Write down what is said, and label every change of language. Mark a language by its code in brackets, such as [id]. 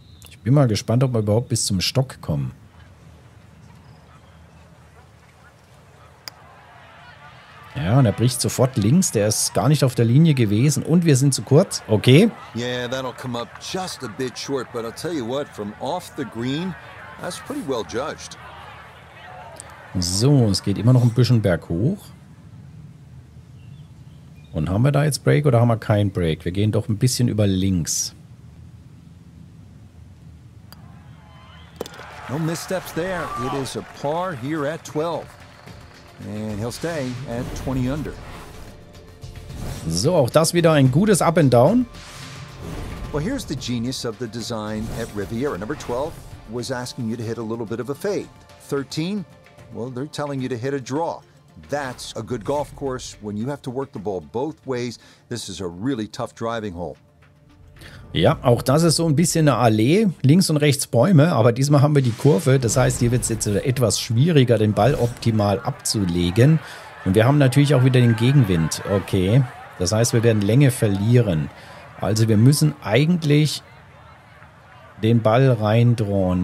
[de] Ich bin mal gespannt, ob wir überhaupt bis zum Stock kommen. Ja, und er bricht sofort links. Der ist gar nicht auf der Linie gewesen. Und wir sind zu kurz. Okay. [en] Yeah, that'll come up just a bit short. But I'll tell you what, from off the green, that's pretty well judged. [de] So, es geht immer noch ein bisschen berghoch. Und haben wir da jetzt Break oder haben wir keinen Break? Wir gehen doch ein bisschen über links. [en] No missteps there. It is a par here at 12. And he'll stay at 20 under. [de] So, auch das wieder ein gutes Up and Down. [en] Well, here's the genius of the design at Riviera. Number 12 was asking you to hit a little bit of a fade. 13. Well, they're telling you to hit a draw. That's a good golf course when you have to work the ball both ways. This is a really tough driving hole. [de] Ja, auch das ist so ein bisschen eine Allee. Links und rechts Bäume, aber diesmal haben wir die Kurve. Das heißt, hier wird es jetzt etwas schwieriger, den Ball optimal abzulegen. Und wir haben natürlich auch wieder den Gegenwind. Okay, das heißt, wir werden Länge verlieren. Also wir müssen eigentlich den Ball reindrohen.